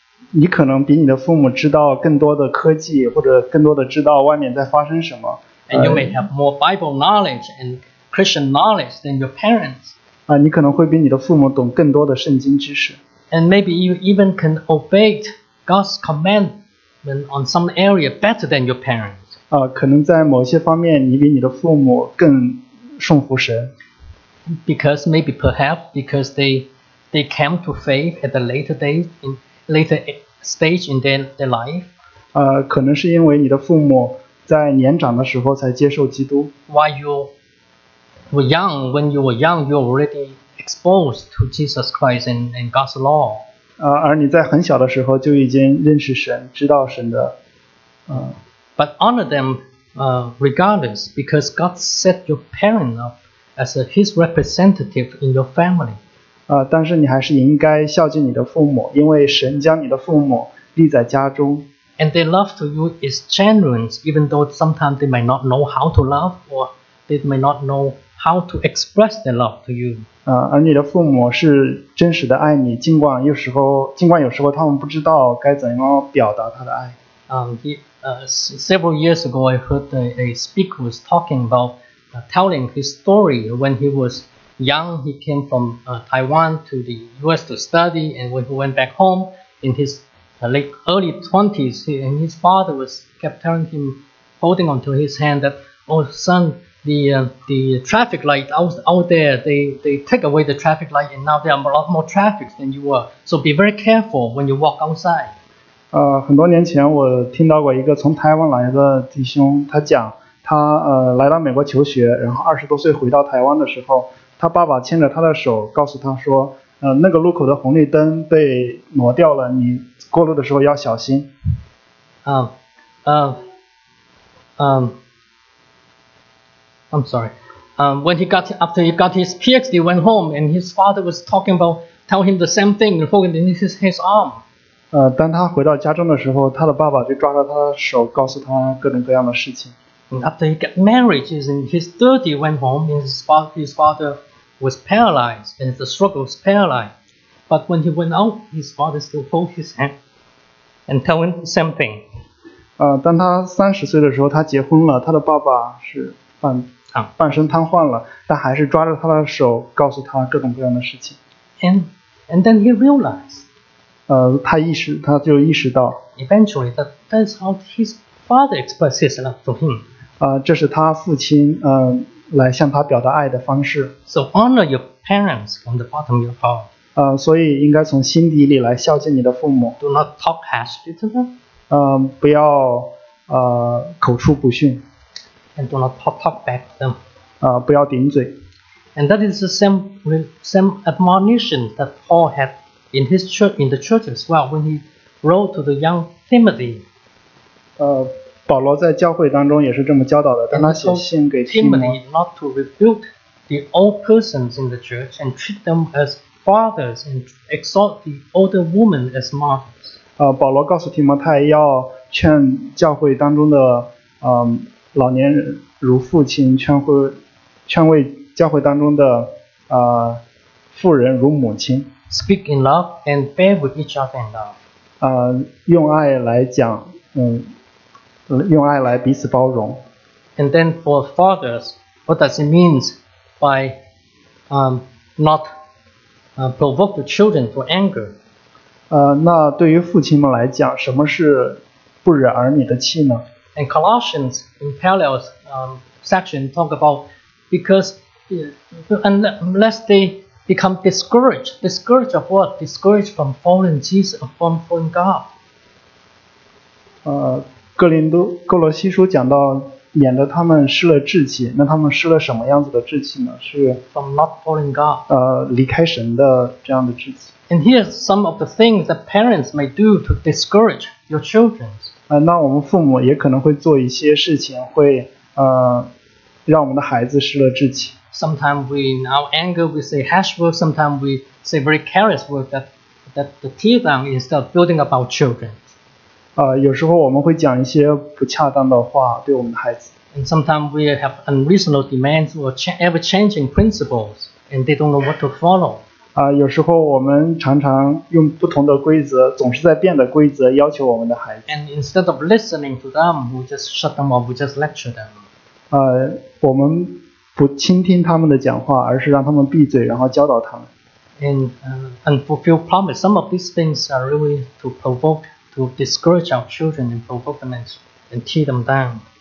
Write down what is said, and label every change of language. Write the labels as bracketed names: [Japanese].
[Chinese] 你可能比你的父母知道更多的科技，或者更多的知道外面在发生什么。 [English] And you may have more Bible knowledge and Christian knowledge than your parents. [Chinese] 你可能会比你的父母懂更多的圣经知识。 [English] And maybe you even can obey God's commandment on some area better than your parents. [Chinese] 可能在某些方面，你比你的父母更顺服神。 [English] Because maybe perhaps because they came to faith at a later day in later stage in their life. [Chinese] 可能是因为你的父母在年长的时候才接受基督。 [English] While you were young, when you were young, you were already exposed to Jesus Christ and God's law. [Chinese] 而你在很小的时候就已经认识神，知道神的， [English] But honor them regardless, because God set your parent up as his representative in your family. [Chinese] 但是你还是应该孝敬你的父母，因为神将你的父母立在家中。 [English] And their love to you is genuine, even though sometimes they might not know how to love, or they might not know how to express their love to you. [Chinese] 而你的父母是真实的爱你，尽管有时候他们不知道该怎样表达他的爱。 [English] Several years ago, I heard a speaker was talking about telling his story when he was young. He came from Taiwan to the U.S. to study, and when he went back home in his early 20s, and his father was kept telling him, holding onto his hand, that, "Oh, son, the traffic light out there, they take away the traffic light, and now there are a lot more traffic than you were. So be very careful when you walk outside." [Chinese] 很多年前我听到过一个从台湾来的弟兄，他讲他来到美国求学，然后二十多岁回到台湾的时候，他爸爸牵着他的手告诉他说，那个路口的红绿灯被挪掉了，你过路的时候要小心。 [English] I'm sorry. When he got his PhD, went home, and his father was talking about telling him the same thing, holding beneath his arm. [Chinese] 当他回到家中的时候，他的爸爸就抓着他的手，告诉他各种各样的事情。 [English] After he got married, his 30 went home, and his father was paralyzed, and the stroke was paralyzed. But when he went out, his father still hold his hand and tell him the same thing. [Chinese] 当他30岁的时候，他结婚了，他的爸爸是半身瘫痪了，但还是抓着他的手，告诉他各种各样的事情。 [English] And then he realized. [Chinese] 他就意识到 [English] eventually that's how his father expresses love to him. [Chinese] 这是他父亲来向他表达爱的方式。 [English] So honor your parents from the bottom of your heart. [Chinese] 所以应该从心底里来孝敬你的父母。 [English] Do not talk harshly to them. [Chinese] 不要口出不逊。 [English] And do not talk back to them. [Chinese] 不要顶嘴。 [English] And that is the same admonition that Paul had. In his church, in the church as well, when he wrote to the young Timothy. [Chinese] 保罗在教会当中也是这么教导的。当他写信给提摩 [English] ，Timothy not to rebuke the old persons in the church and treat them as fathers and exhort the older women as mothers. [Chinese] 保罗告诉提摩太要劝教会当中的老年人如父亲，劝慰教会当中的妇人如母亲。 [English] Speak in love and bear with each other in love. [Chinese] 用爱来讲，用爱来彼此包容。 [English] And then for fathers, what does it mean by not provoke the children to anger? [Chinese] 那对于父亲们来讲，什么是不惹儿女的气呢？ [English] And Colossians in parallel section talk about because unless they become discouraged. Discouraged of what? Discouraged from following Jesus, from following God. [Chinese] 哥罗西书讲到，免得他们失了志气。那他们失了什么样子的志气呢？是 [English] from not following God. [Chinese] 离开神的这样的志气。 [English] And here are some of the things that parents may do to discourage your children. [Chinese] 那我们父母也可能会做一些事情，会让我们的孩子失了志气。 [English] Sometimes we, in our anger, we say harsh words. Sometimes we say very careless words that the tear down instead of building up our children. [Chinese] 有时候我们会讲一些不恰当的话对我们的孩子。 [English] And sometimes we have unreasonable demands or ever-changing principles, and they don't know what to follow. [Chinese] 有时候我们常常用不同的规则，总是在变的规则要求我们的孩子。 [English] And instead of listening to them, we just shut them up, we just lecture them. [Chinese] 我们不倾听他们的讲话，而是让他们闭嘴，然后教导他们。 [English] And unfulfilled promise. Some of these things are really to provoke, to discourage our children and provoke them and tear them down.